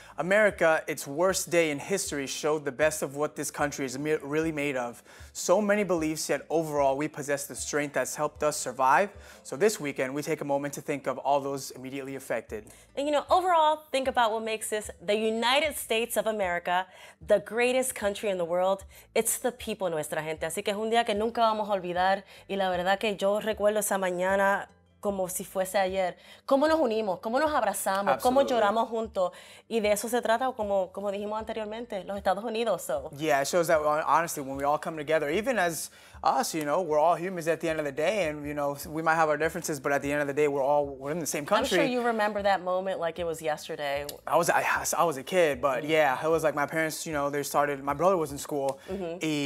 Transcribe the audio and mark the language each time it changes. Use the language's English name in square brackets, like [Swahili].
[English] America, its worst day in history, showed the best of what this country is really made of. So many beliefs, yet overall, we possess the strength that's helped us survive. So this weekend, we take a moment to think of all those immediately affected. And you know, overall, think about what makes this the United States of America, the greatest country in the world. It's the people, [Spanish] nuestra gente. Así que es un día que nunca vamos a olvidar. Y la verdad que yo recuerdo esa mañana como si fuese ayer. Cómo nos unimos, cómo nos abrazamos, [English] absolutely, [Spanish] cómo lloramos juntos. Y de eso se trata, como dijimos anteriormente, los Estados Unidos. [English] So. Yeah, it shows that, honestly, when we all come together, even as us, you know, we're all humans at the end of the day, and, you know, we might have our differences, but at the end of the day, we're in the same country. I'm sure you remember that moment like it was yesterday. I was a kid, but yeah, it was like my parents, you know, they started, my brother was in school, mm-hmm.